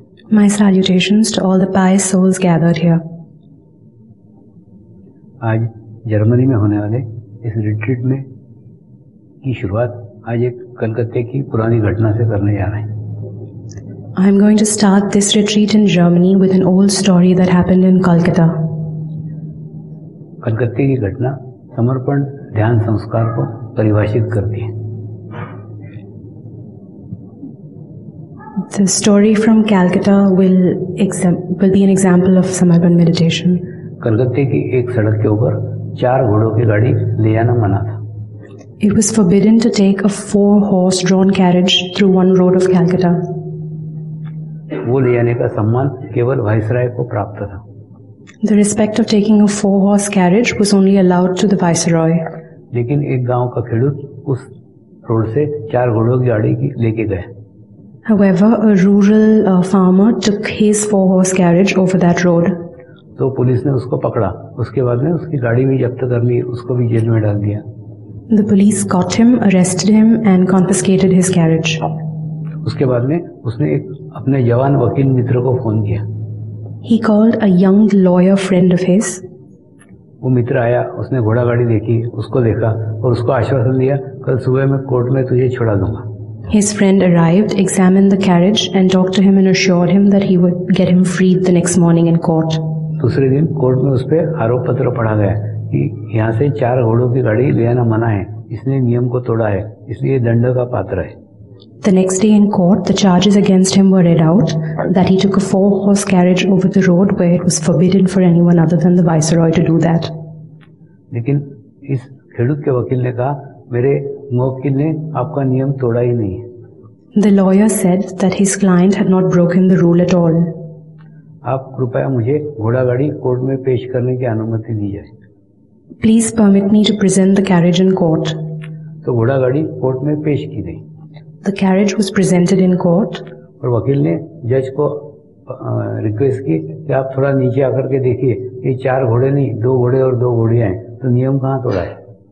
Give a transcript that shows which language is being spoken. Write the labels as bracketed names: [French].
[English] My salutations to all the pious souls gathered here. [Hindi] आज Germany में होने वाले इस रिट्रीट में की शुरुआत आज एक कलकत्ते की पुरानी घटना से करने जा रहे हैं। [English] I am going to start this retreat in Germany with an old story that happened in Calcutta. [Hindi] कलकत्ते की घटना समर्पण ध्यान संस्कार को परिभाषित करती है। [English] The story from Calcutta will be an example of समर्पण meditation. [Hindi] कलकत्ते की एक सड़क के ऊपर चार घोड़ों की गाड़ी ले जाना मना था। [English] It was forbidden to take a four-horse-drawn carriage through one road of Calcutta. [Hindi] वो ले जाने का सम्मान केवल वायसराय को प्राप्त था। [English] The respect of taking a four-horse carriage was only allowed to the viceroy. [Hindi] लेकिन एक गांव का खेडूत उस रोड से चार घोड़ों की गाड़ी की लेके गया। [English] However, a rural farmer took his four-horse carriage over that road. [Hindi] तो पुलिस ने उसको पकड़ा उसके बाद में उसकी गाड़ी भी जब्त कर ली उसको भी जेल में डाल दिया। [English] The police caught him, arrested him and confiscated his carriage. [Hindi] उसके बाद में उसने एक अपने जवान वकील मित्र को फोन किया। [English] He called a young lawyer friend of his. [Hindi] वो मित्र आया उसने घोड़ा गाड़ी देखी उसको देखा और उसको आश्वासन दिया कल सुबह मैं कोर्ट में तुझे छुड़ा दूंगा। [English] His friend arrived, examined the carriage and talked to him and assured him that he would get him freed the next morning in court. [Hindi] दूसरे दिन कोर्ट में उस पर आरोप पत्र पढ़ा गया कि यहाँ से चार घोड़ों की गाड़ी ले आना मना है इसने नियम को तोड़ा है इसलिए दंड का पात्र है। [English] The next day in court, the charges against him were read out that he took a four-horse carriage over the road where it was forbidden for anyone other than the viceroy to do that. [Hindi] लेकिन इस खेडूत के वकील ने कहा मेरे मुवक्किल ने आपका नियम तोड़ा ही नहीं। [English] The lawyer said that his client had not broken the rule at all. [Hindi] आप कृपया मुझे घोड़ा गाड़ी कोर्ट में पेश करने की अनुमति दीजिए। [English] Please permit me to present the carriage in court. [Hindi] तो घोड़ा गाड़ी कोर्ट में पेश की गई। [English] The carriage was presented in court. [Hindi] और वकील ने जज को रिक्वेस्ट की कि आप थोड़ा नीचे आकर के देखिए ये चार घोड़े नहीं दो घोड़े और दो घोड़ियां हैं तो नियम कहां तोड़ा है।